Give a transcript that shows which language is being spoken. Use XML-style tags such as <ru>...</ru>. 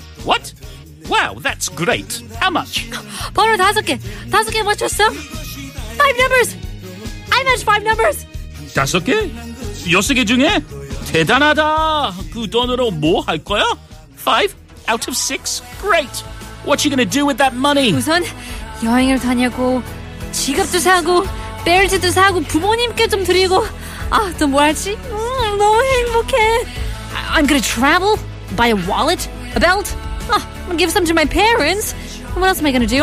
<en>What? Wow, that's great! How much?</en> <ko>번호 5개 맞췄어!</ko> <en>5 numbers! I matched 5 numbers!</en> <ko>5개? 6개 중에? 대단하다! 그 돈으로 뭐 할 거야? 5?</ko> <en>Out of 6? Great! What are you going to do with that money?</en> <ko>우선 여행을 다녀고 지갑도 사고 벨트도 사고 부모님께 좀 드리고 아, 또 뭐 할지? 너무 행복해.</ko> <en>I'm going to travel, buy a wallet, a belt. I'm going to give some to my parents. What else am I going to do?</en>